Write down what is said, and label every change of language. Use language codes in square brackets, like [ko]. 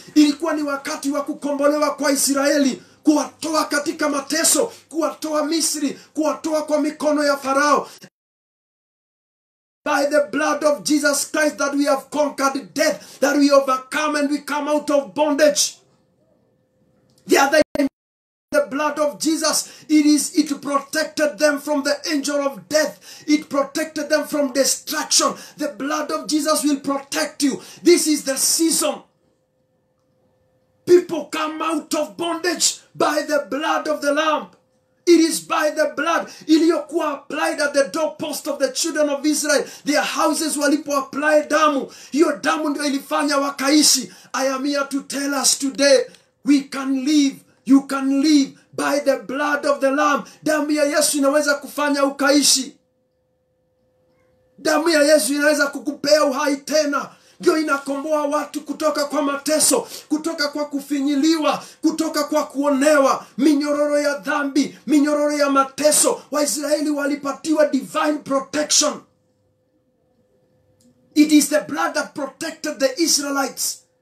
[sw] Ilikuwa ni wakati wa kukombolewa kwa Israeli, kuwatoa katika mateso, kuwatoa Misri, kuwatoa kwa mikono ya Farao. [en] By the blood of Jesus Christ that we have conquered death, that we overcome and we come out of bondage. The other name, the blood of Jesus, it protected them from the angel of death. It protected them from destruction. The blood of Jesus will protect you. This is the season. People come out of bondage by the blood of the Lamb. It is by the blood [sw] iliyokuwa [en] applied at the doorpost of the children of Israel. Their houses [sw] walipo [en] apply [sw] damu. Hiyo damu ndio ilifanya wakaishi. [en] I am here to tell us today, we can live, you can live by the blood of the Lamb. [sw] Damu ya Yesu inaweza kufanya ukaishi. Damu ya Yesu inaweza kukupea uhai tena. Ndio inakomboa watu kutoka kwa mateso, kutoka kwa kufinyiliwa, kutoka kwa kuonewa, minyororo ya dhambi, minyororo ya mateso. Waisraeli walipatiwa [en] divine protection. It is the blood that protected the Israelites.